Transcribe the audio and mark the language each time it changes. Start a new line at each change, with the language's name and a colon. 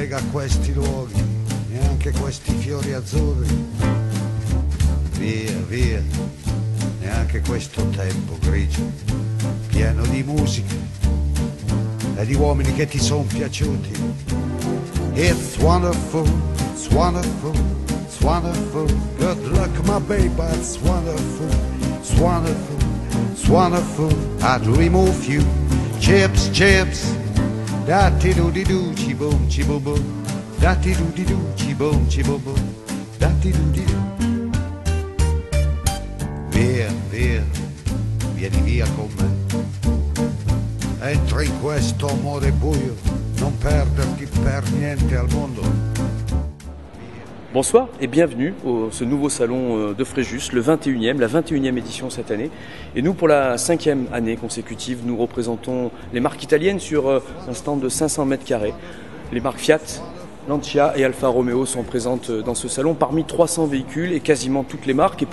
Italian: questi luoghi e anche questi fiori azzurri. Via, via, e anche questo tempo grigio, pieno di musica e di uomini che ti son piaciuti.
English: It's wonderful, it's wonderful, it's wonderful. Good luck, my baby, it's wonderful, it's wonderful, it's wonderful. I'd remove you, chips, chips. Da-ti-do-di-doo, chi-boom, chi-boom-boom. Da-ti-do-di-doo, chi-boom, chi-boom-boom. Da-ti-do-di-doo.
Italian: Via, via, vieni via con me. Entra in questo amore buio. Non perderti per niente al mondo.
French: Bonsoir et bienvenue au ce nouveau salon de Fréjus, le 21e, la 21e édition cette année. Et nous, pour la 5e année consécutive, nous représentons les marques italiennes sur un stand de 500 mètres carrés. Les marques Fiat, Lancia et Alfa Romeo sont présentes dans ce salon parmi 300 véhicules et quasiment toutes les marques.